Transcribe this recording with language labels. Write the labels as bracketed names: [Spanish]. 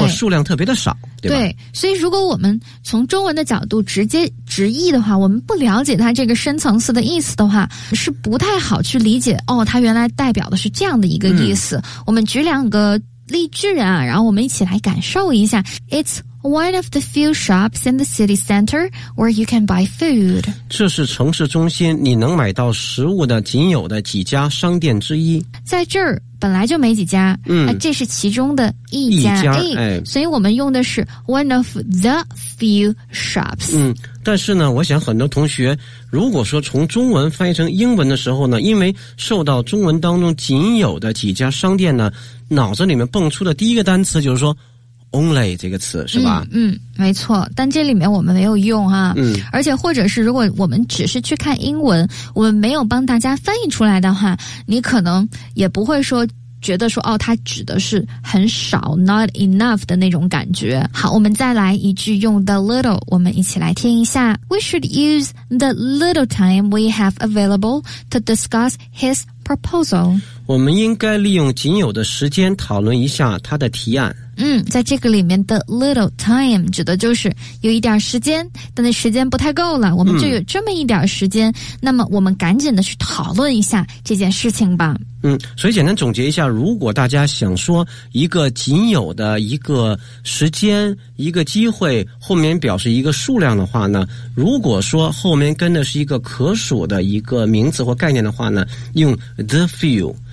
[Chinese] 或数量特别的少，对吧？对，所以如果我们从中文的角度直接直译的话，我们不了解它这个深层次的意思的话，是不太好去理解哦，它原来代表的是这样的一个意思。我们举两个例句啊，然后我们一起来感受一下。 [English] It's one of the few shops in the city center where you can buy food。 [Chinese] 这是城市中心你能买到食物的仅有的几家商店之一。在这儿本来就没几家，这是其中的一家。哎，所以我们用的是 [English] one of the few shops。 [Chinese] 但是呢，我想很多同学如果说从中文翻译成英文的时候呢，因为受到中文当中仅有的几家商店呢，脑子里面蹦出的第一个单词就是说only 这个词，是吧？没错，但这里面我们没有用哈。而且或者是如果我们只是去看英文，我们没有帮大家翻译出来的话，你可能也不会说觉得说哦，它指的是很少 [English] not enough [Chinese] 的那种感觉。好，我们再来一句用 the little， 我们一起来听一下。 [English] We should use the little time we have available to discuss his proposal。 [Chinese] 我们应该利用仅有的时间讨论一下他的提案。在这个里面的 little time 指的就是有一点时间，但那时间不太够了，我们就有这么一点时间，那么我们赶紧的去讨论一下这件事情吧。所以简单总结一下，如果大家想说一个仅有的一个时间一个机会后面表示一个数量的话呢，如果说后面跟的是一个可数的一个名词或概念的话呢，用 the few。